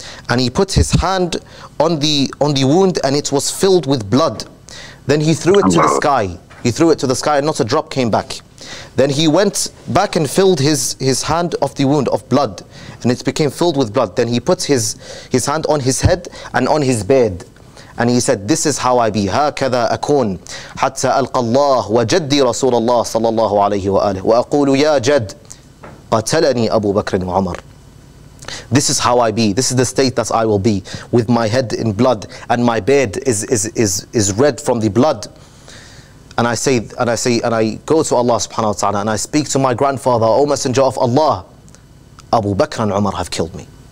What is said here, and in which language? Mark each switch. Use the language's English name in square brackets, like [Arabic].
[English] And he put his hand on the wound, and it was filled with blood. Then he threw it to the sky. He threw it to the sky, and not a drop came back. Then he went back and filled his hand of the wound of blood, and it became filled with blood. Then he put his hand on his head and on his bed, and he said, "This is how I be. [Arabic] هكذا أكون حتى ألقى الله وجدي رسول الله صلى الله عليه وآله وأقول يا جد قتلني أبو بكر وعمر." [English] This is how I be. This is the state that I will be, with my head in blood and my bed is red from the blood. And I go to Allah subhanahu wa ta'ala and I speak to my grandfather, O Messenger of Allah, Abu Bakr and Umar have killed me.